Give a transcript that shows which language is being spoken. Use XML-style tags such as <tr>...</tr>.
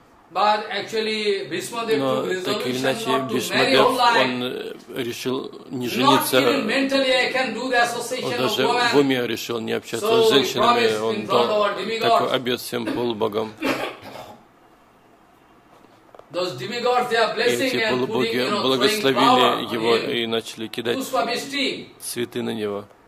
<ru>Но, так или иначе, Бхишмадев, он решил не жениться, он даже в уме решил не общаться с женщинами, он дал такой обет всем полубогам.</ru> <en>Those demigods, they are blessing and putting, you know, throwing power on him.</en> <ru>Благословили его и начали кидать цветы на него.</ru>